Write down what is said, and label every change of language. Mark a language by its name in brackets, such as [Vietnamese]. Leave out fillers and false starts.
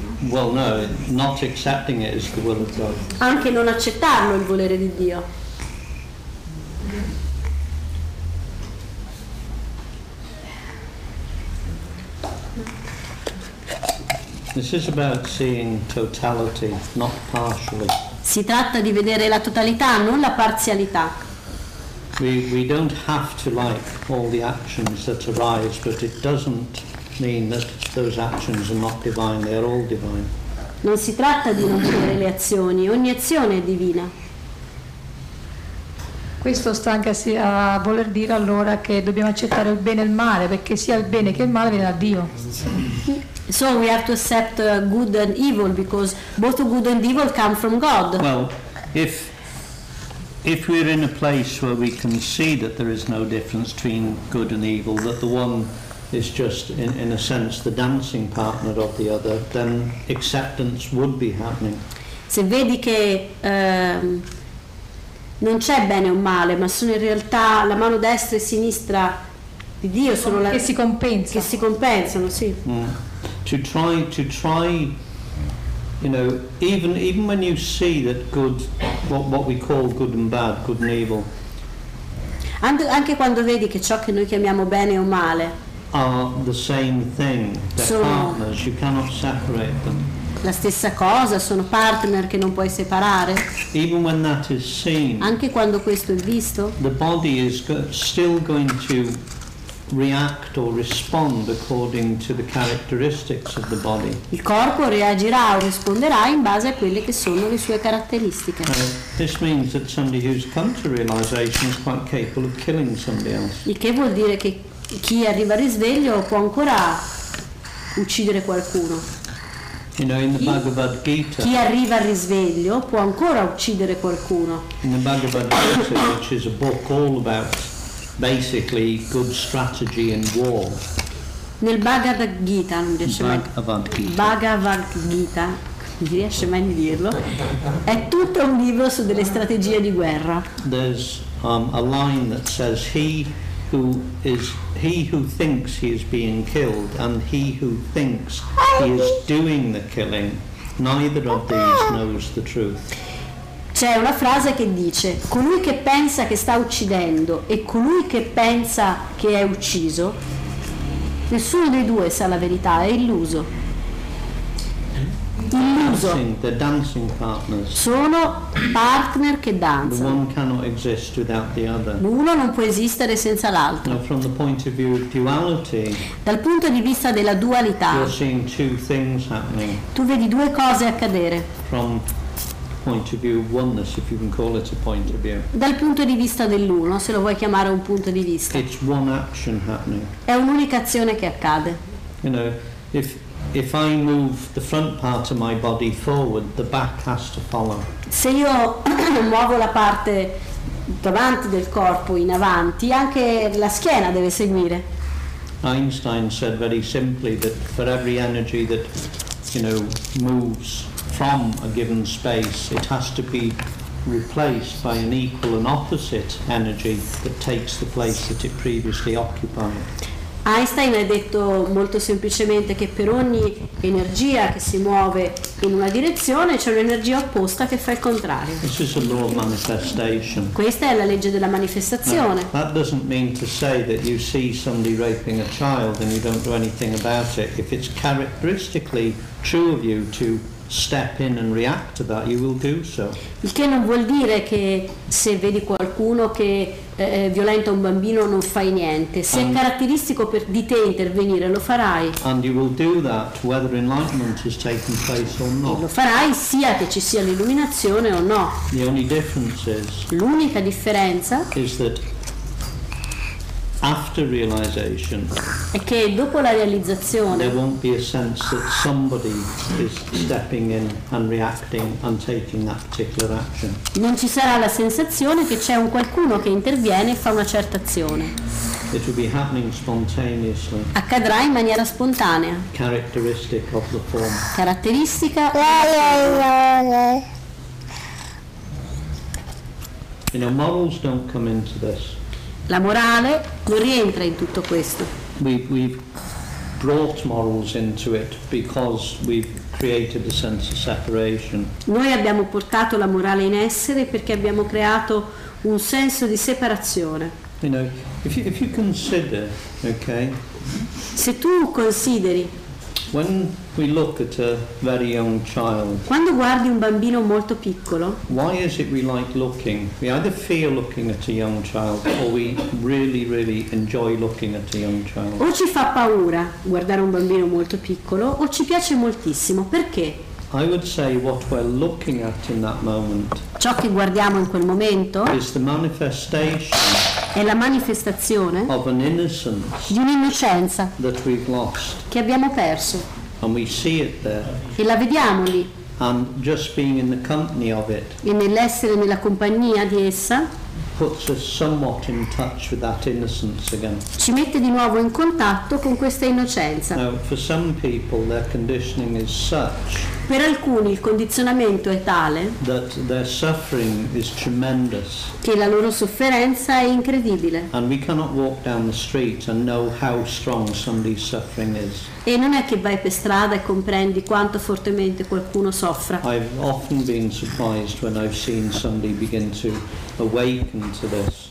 [English] Well, no, not accepting it is the will of God. [Italian] Anche non accettarlo è il volere di Dio. [English] This is about seeing totality, not partially. [Italian] Si tratta di vedere la totalità, non la parzialità. [English] We don't have to like all the actions that arise, but it doesn't mean that those actions are not divine, they are all divine. [Italian] Non si tratta di non vedere le azioni, ogni azione è divina. Questo sta anche a voler dire allora che dobbiamo accettare il bene e il male, perché sia il bene che il male viene da Dio. [English] So we have to accept good and evil, because both good and evil come from God. Well, if we're in a place where we can see that there is no difference between good and evil, that the one is just in a sense the dancing partner of the other, then acceptance would be happening. [Italian] Se vedi che non c'è bene o male, ma sono in realtà la mano destra e sinistra di Dio, sono che si compensa. Che si compensano, sì. Mm. [English] To try, you know, even when you see that good what we call good and bad, good and evil. [Italian] Anche quando vedi che ciò che noi chiamiamo bene o male [English] are the same thing. They're partners. You cannot separate them. [Italian] La stessa cosa, sono partner che non puoi separare. [English] Even when that is seen, [Italian] anche quando questo è visto, [English] the body is still going to react or respond according to the characteristics of the body. [Italian] Il corpo reagirà o risponderà in base a quelle che sono le sue caratteristiche. [English] This means that somebody who's come to realization is quite capable of killing somebody else. [Italian] Il che vuol dire che chi arriva a risveglio può ancora uccidere qualcuno. [English] You know, in the Bhagavad Gita, [Italian] chi arriva a risveglio può ancora uccidere qualcuno. [English] In the Bhagavad Gita, which is a book all about basically good strategy in war. [Italian] Nel Bhagavad Gita, non riesce mai. Bhagavad Gita, non riesce mai a dirlo. È tutto un libro su delle strategie di guerra. [English] There's a line that says he who thinks he is being killed and he who thinks he is doing the killing, neither of these knows the truth. [Italian] C'è una frase che dice: colui che pensa che sta uccidendo e colui che pensa che è ucciso, nessuno dei due sa la verità, è illuso. Illuso. [English] Dancing partners. [Italian] Sono partner che danzano. [English] The one cannot exist without the other. [Italian] Uno non può esistere senza l'altro. [English] Now, from the point of view of duality, [Italian] dal punto di vista della dualità, [English] you're seeing two things happening. [Italian] Tu vedi due cose accadere. [English] From point of view of oneness, if you can call it a point of view. [Italian] Dal punto di vista dell'uno, se lo vuoi chiamare un punto di vista. [English] It's one action happening. [Italian] È un'unica azione che accade. [English] You know, if I move the front part of my body forward, the back has to follow. [Italian] Se io muovo la parte davanti del corpo in avanti, anche la schiena deve seguire. [English] Einstein said very simply that for every energy that, you know, moves from a given space, it has to be replaced by an equal and opposite energy that takes the place that it previously occupied. [Italian] Einstein ha detto molto semplicemente che per ogni energia che si muove in una direzione c'è un'energia opposta che fa il contrario. [English] This is a law of manifestation. [Italian] Questa è la legge della manifestazione. [English] No, that doesn't mean to say that you see somebody raping a child and you don't do anything about it. If it's characteristically true of you to step in and react to that, you will do so. [Italian] Il che non vuol dire che se vedi qualcuno che violenta un bambino non fai niente. Se è caratteristico per di te intervenire, lo farai. [English] And you will do that whether enlightenment is taking place or not. [Italian] Lo farai sia che ci sia l'illuminazione o no. [English] The only difference is, [Italian] l'unica differenza [English] is that after realization, [Italian] è che dopo la realizzazione [English] there won't be a sense that somebody is stepping in and reacting and taking that particular action. [Italian] Non ci sarà la sensazione che c'è un qualcuno che interviene e fa una certa azione. [English] It will be happening spontaneously. [Italian] Accadrà in maniera spontanea. [English] Characteristic of the form. [Italian] Caratteristica. [English] You know, morals don't come into this. [Italian] La morale non rientra in tutto questo. [English] We've brought morals into it because we've created a sense of separation. [Italian] Noi abbiamo portato la morale in essere perché abbiamo creato un senso di separazione. [English] You know, if you consider, okay, [Italian] se tu consideri, [English] when we look at a very young child, [Italian] quando guardi un bambino molto piccolo, [English] why is it we like looking? We either fear looking at a young child or we really, really enjoy looking at a young child. [Italian] O ci fa paura guardare un bambino molto piccolo o ci piace moltissimo. Perché? [English] I would say what we're looking at in that moment, [Italian] ciò che guardiamo in quel momento, [English] is the manifestation, [Italian] è la manifestazione [English] of an innocence, [Italian] di un'innocenza [English] that we've lost, [Italian] che abbiamo perso. [English] And we see it there, [Italian] e la vediamo lì. [English] And just being in the company of it, [Italian] e nell'essere nella compagnia di essa, [English] puts us somewhat in touch with that innocence again. [Italian] Ci mette di nuovo in contatto con questa innocenza. [English] Now, for some people, their conditioning is such, [Italian] per alcuni il condizionamento è tale [English] that their suffering is tremendous. [Italian] Che la loro sofferenza è incredibile. [English] And we cannot walk down the street and know how strong somebody's suffering is. [Italian] E non è che vai per strada e comprendi quanto fortemente qualcuno soffra. [English] I've often been surprised when I've seen somebody begin to awaken to this.